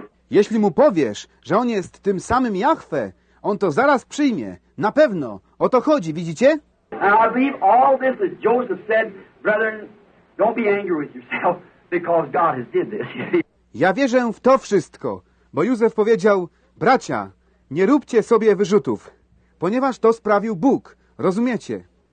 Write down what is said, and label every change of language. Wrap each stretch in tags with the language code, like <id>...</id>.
<pl>Jeśli mu powiesz, że on jest tym samym Jahwe, on to zaraz przyjmie. Na pewno. O to chodzi, widzicie?</pl> <en>I believe all this that Joseph said, brethren, don't be angry with yourself because God has did this.</en> <pl>Ja wierzę w to wszystko, bo Józef powiedział, bracia, nie róbcie sobie wyrzutów, ponieważ to sprawił Bóg. Rozumiecie?</pl>